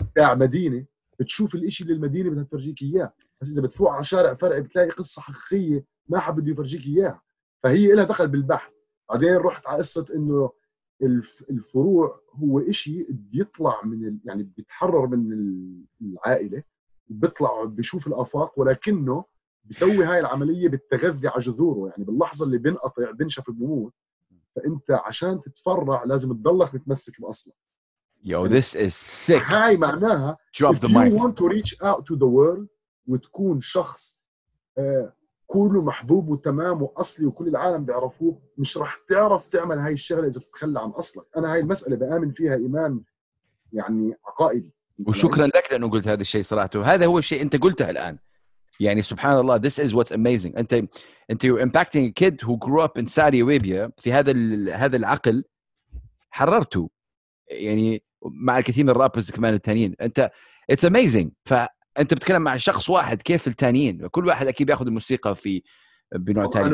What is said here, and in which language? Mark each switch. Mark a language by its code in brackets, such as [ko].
[ar] تاع مدينة بتشوف الإشي اللي المدينة بدها تفرجيك إياه بس إذا بتفوق على شارع فرعي بتلاقي قصة حقيقية ما حد بده يفرجيك إياها فهي إلها دخل بالبحث بعدين رحت على قصة إنه الفروع هو إشي بيطلع من يعني بيتحرر من العائلة بيطلع بيشوف الأفاق ولكنه بيسوي هاي العملية بالتغذي على جذوره يعني باللحظة اللي بنقطع بنشف بموت فانت عشان تتفرع لازم تضلك متمسك باصلك [en] you this is sick [ar] هاي معناها [en] drop the mic you want to reach out to the world [ar] وتكون شخص كله محبوب وتمام وأصلي وكل العالم بيعرفوه، مش رح تعرف تعمل هاي الشغلة إذا بتتخلى عن أصلك. أنا هاي المسألة بآمن فيها إيمان يعني عقائدي. وشكرا لك لأنه قلت هذا الشيء صراحة، وهذا هو الشيء أنت قلته الآن. يعني سبحان الله، [en] this is what's amazing. [ar] أنت [en] you're impacting a kid who grew up in Saudi Arabia [ar] في هذا العقل حررته. يعني مع الكثير من الرابرز كمان التانيين، أنت [en] it's amazing. [ar] فأنت بتكلم مع شخص واحد، كيف التانيين؟ كل واحد أكيد بياخد الموسيقى في بنوع تاني.